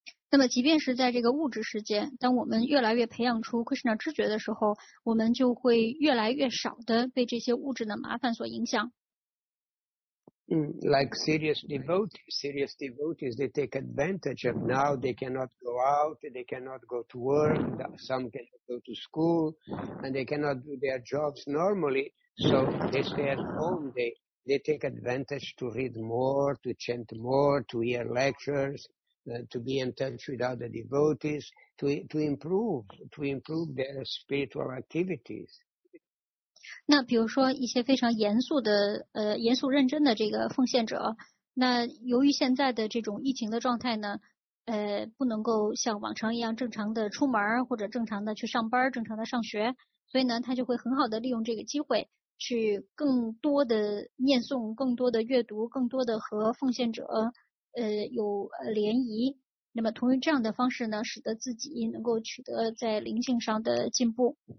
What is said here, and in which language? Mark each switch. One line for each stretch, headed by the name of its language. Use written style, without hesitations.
Chinese: 那么即便是在这个物质世界，当我们越来越培养出 Krishna 知觉的时候，我们就会越来越少的被这些物质的麻烦所影响。
English: Like serious devotees, they take advantage of now they cannot go out, they cannot go to work, some cannot go to school, and they cannot do their jobs normally, so they stay at home, they take advantage to read more, to chant more, to hear lectures, to be in touch with other devotees, to improve their spiritual activities.
Chinese: 那比如说一些非常严肃认真的这个奉献者，那由于现在的这种疫情的状态呢，不能够像往常一样正常的出门或者正常的去上班正常的上学，所以呢他就会很好的利用这个机会去更多的念诵，更多的阅读，更多的和奉献者有联谊，那么同于这样的方式呢，使得自己能够取得在灵性上的进步。